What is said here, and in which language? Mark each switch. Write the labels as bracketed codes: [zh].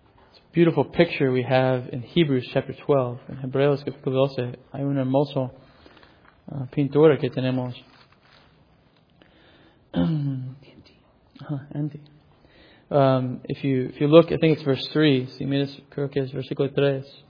[en] It's a beautiful picture we have in Hebrews chapter 12. [es] En Hebreos capítulo 12 hay una hermosa pintura que tenemos. [en] Andy. If you look, I think it's verse 3. [es] Si miras, creo que es versículo 3.